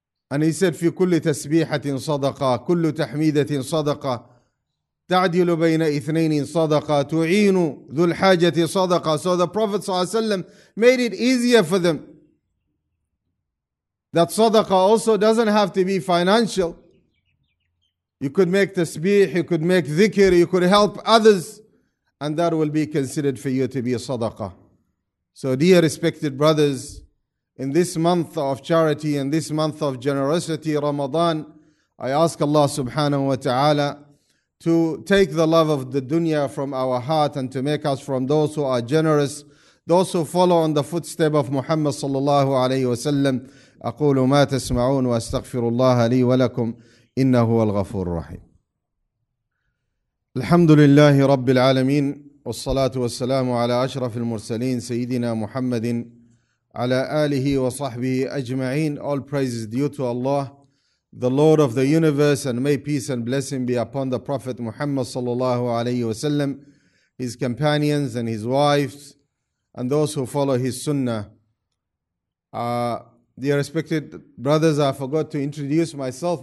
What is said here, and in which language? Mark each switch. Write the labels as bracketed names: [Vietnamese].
[English] And he said, [Arabic] في كل تسبيحة صدقة، كل تحميدة صدقة، تعدل بين اثنين صدقة، تعين ذو الحاجة صدقة. [English] So the Prophet صلى الله عليه وسلم made it easier for them. That صدقة also doesn't have to be financial. You could make تسبيح, you could make ذكر, you could help others, and that will be considered for you to be a صدقة. So dear respected brothers, in this month of charity, in this month of generosity, Ramadan, I ask Allah subhanahu wa ta'ala to take the love of the dunya from our heart and to make us from those who are generous, those who follow on the footstep of Muhammad sallallahu alayhi wa sallam. [Arabic] أقول ما تسمعون وأستغفر الله لي ولكم إنه هو الغفور الرحيم الحمد لله رب العالمين والصلاة والسلام على أشرف المرسلين سيدنا محمد على آله وصحبه أجمعين. [English] All praises due to Allah, the Lord of the universe, and may peace and blessing be upon the Prophet Muhammad sallallahu alayhi wa sallam, his companions and his wives, and those who follow his sunnah. Dear respected brothers, I forgot to introduce myself.